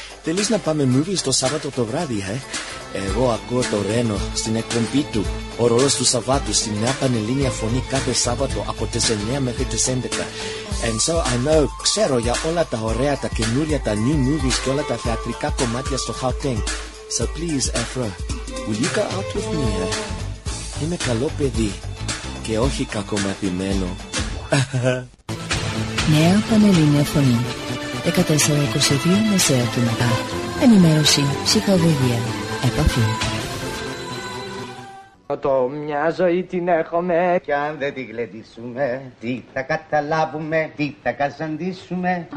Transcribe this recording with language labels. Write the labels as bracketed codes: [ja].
[el] Θέλεις να πάμε movies το Σάββατο το βράδυ, eh? Εγώ ακούω το Ρένο στην εκπομπή του. Ο ρόλος του Σαββάτου στην νέα πανελλήνια φωνή κάθε Σάββατο από τις 9 μέχρι τις 11. And so I know, ξέρω για όλα τα ωραία, τα καινούρια, τα new movies και όλα τα θεατρικά κομμάτια στο Χαουτέγκ. [en] So please, Afro, will you go out with me, eh? [el] Είμαι καλό παιδί και όχι κακομαθημένο. Νέα πανελλήνια φωνή. 1422 μεσαία του μετά. Ενημέρωση, ψυχαγωγία, επαφή. Το μια ζωή την έχουμε και αν δεν τη γλεντήσουμε τι θα καταλάβουμε, τι θα καζαντήσουμε.